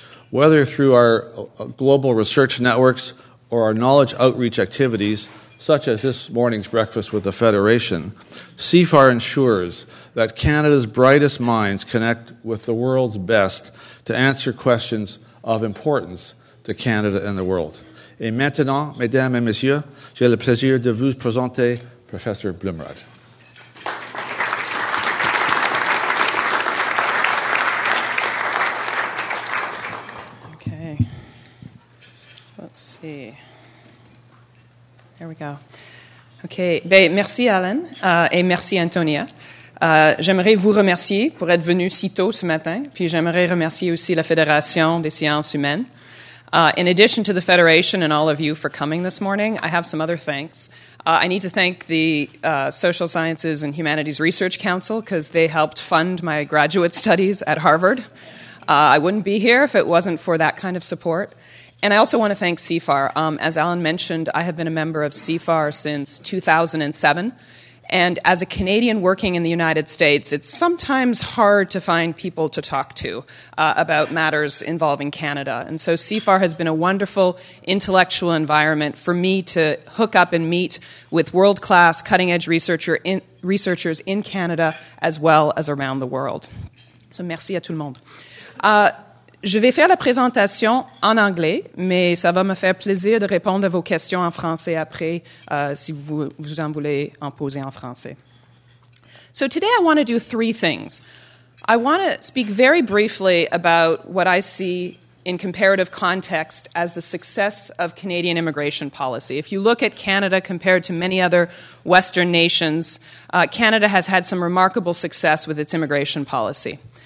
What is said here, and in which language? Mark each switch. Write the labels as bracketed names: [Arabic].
[English] Whether through our global research networks or our knowledge outreach activities, such as this morning's breakfast with the Federation, CIFAR ensures that Canada's brightest minds connect with the world's best to answer questions of importance to Canada and the world. [French] Et maintenant, mesdames et messieurs, j'ai le plaisir de vous présenter Professor Blumrad. [English] Okay. Let's see. There we go. Okay. [French] Ben, merci, Alan, et merci, Antonia. J'aimerais vous remercier pour être venu si tôt ce matin, puis j'aimerais remercier aussi la Fédération des sciences humaines. [English] In addition to the Federation and all of you for coming this morning, I have some other thanks. I need to thank the Social Sciences and Humanities Research Council because they helped fund my graduate studies at Harvard. I wouldn't be here if it wasn't for that kind of support. And I also want to thank CIFAR. As Alan mentioned, I have been a member of CIFAR since 2007. And as a Canadian working in the United States, it's sometimes hard to find people to talk to about matters involving Canada. And so CIFAR has been a wonderful intellectual environment for me to hook up and meet with world-class cutting-edge researchers in Canada as well as around the world. [French] So merci à tout le monde. Je vais faire la présentation en anglais, mais ça va me faire plaisir de répondre à vos questions en français après, si vous en voulez en poser en français. [English] So today I want to do three things. I want to speak very briefly about what I see in comparative context as the success of Canadian immigration policy. If you look at Canada compared to many other Western nations, Canada has had some remarkable success with its immigration policy.